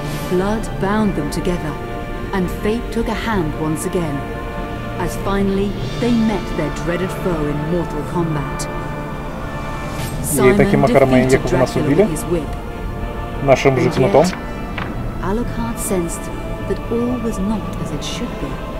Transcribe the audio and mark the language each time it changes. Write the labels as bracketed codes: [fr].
[en] Blood bound them together, and fate took a hand once again, as finally they met their dreaded foe in mortal combat. [ru] И таким макаром они якобы нас убили. Нашим же кнутом. [en] Alucard sensed that all was not as it should be.